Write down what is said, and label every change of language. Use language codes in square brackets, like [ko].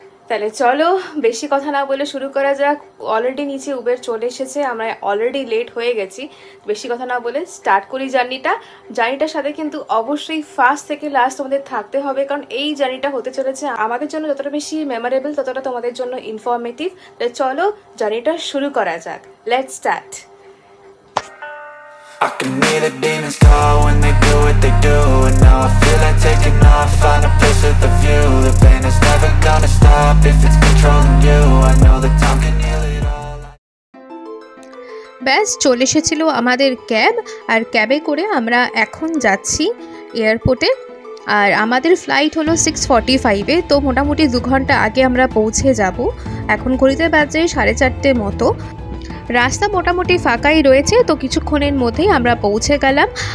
[bn] তাহলে চলো বেশি কথা না বলে শুরু করা যাক। অলরেডি নিচে উবের চলে এসেছে, আমরা অলরেডি লেট হয়ে গেছি। বেশি কথা না বলে স্টার্ট করি জার্নিটা। জার্নিটার সাথে কিন্তু অবশ্যই ফার্স্ট থেকে লাস্ট তোমাদের থাকতে হবে, কারণ এই জার্নিটা হতে চলেছে আমাদের জন্য যতটা বেশি মেমোরেবল ততটা তোমাদের জন্য ইনফরমেটিভ। তাহলে চলো জার্নিটা শুরু করা যাক, [en] Let's start. I can hear the demons call when they do what they do. And now I feel like taking off, find a place with a view. The pain is never gonna stop if it's controlling you. I know the time can heal. [bn] ব্যাস চলে এসেছিল আমাদের cab, আর ক্যাবে করে আমরা এখন যাচ্ছি এয়ারপোর্টে। আর আমাদের ফ্লাইট হলো 6:45, তো মোটামুটি 2 ঘন্টা আগে আমরা পৌঁছে যাব। এখন ঘড়িতে বাজে 4:30 মতো, রাস্তা মোটামুটি ফাঁকাই রয়েছে, তো কিছুক্ষণের মধ্যেই আমরা পৌঁছে গেলাম।